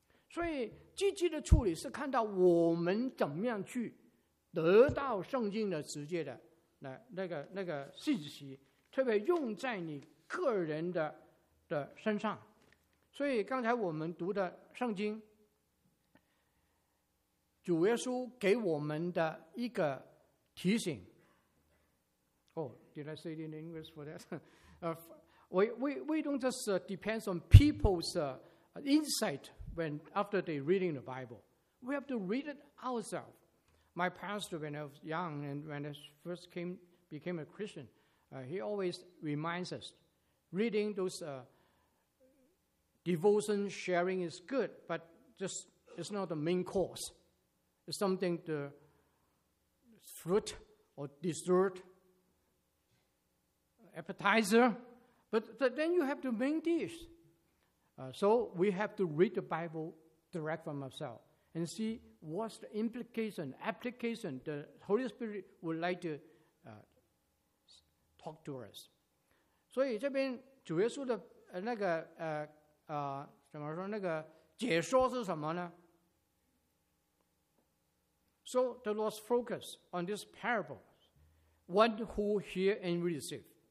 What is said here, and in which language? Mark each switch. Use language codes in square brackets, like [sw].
[zh] 所以积极的处理是看到我们怎么样去得到圣经的直接的那个信息，特别用在你个人 的身上。所以刚才我们读的圣经，主耶稣给我们的一个提醒。 [en] Oh, did I say it in English for that? We don't just depend on people's insight when after they reading the Bible. We have to read it ourselves. My pastor, when I was young and when I first became a Christian, he always reminds us, reading those devotion sharing is good, but just it's not the main course. It's something the fruit or dessert, appetizer. But then you have to main dish. So we have to read the Bible direct from ourselves and see what's the implication, application the Holy Spirit would like to pork doers. [zh] 所以这边主耶稣的那个怎么说那个解说是什么呢？ [en] So the Lord's focus on this parable, one who hear and receive.